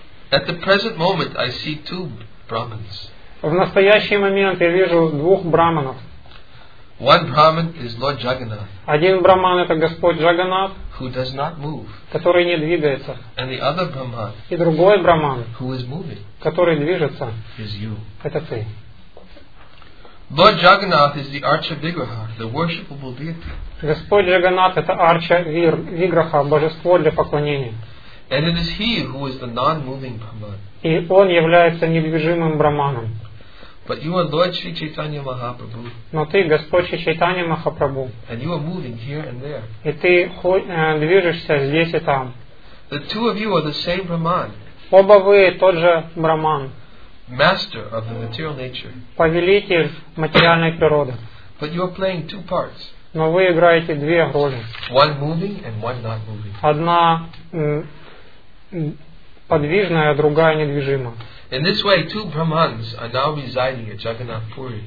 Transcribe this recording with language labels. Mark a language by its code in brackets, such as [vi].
[en] At the present moment, I see two Brahmins. [ru] В настоящий момент я вижу двух Брахманов. [en] One Brahman is Lord Jagannath. [ru] Один Брахман это Господь Джаганнат. [en] Who does not move. [ru] Который не двигается. [en] And the other Brahman. [ru] И другой Брахман. [en] Who is moving. [ru] Который движется. [en] Is you. [ru] Это ты. [en] Lord Jagannath is the Archa Vigraha, the worshipable deity. [ru] Господь Джаганнат это Арча Виграха, божество для поклонения. [en] And it is he who is the non-moving Brahman. [ru] И он является недвижимым Брахманом. [en] But you are Lord Sri Chaitanya Mahaprabhu. [ru] Но ты Господь Шри Чайтанья Махапрабху. [en] And you are moving here and there. [ru] И ты движешься здесь и там. [en] The two of you are the same Brahman. [ru] Оба вы тот же Брахман. [en] Master of the material nature. [ru] Повелитель материальной природы. [en] But you are playing two parts. [ru] Но вы играете две роли. [en] One moving and one not moving. [ru] Одна подвижная, другая недвижима. [en] In this way, two Brahmans are now residing at Jagannath Puri.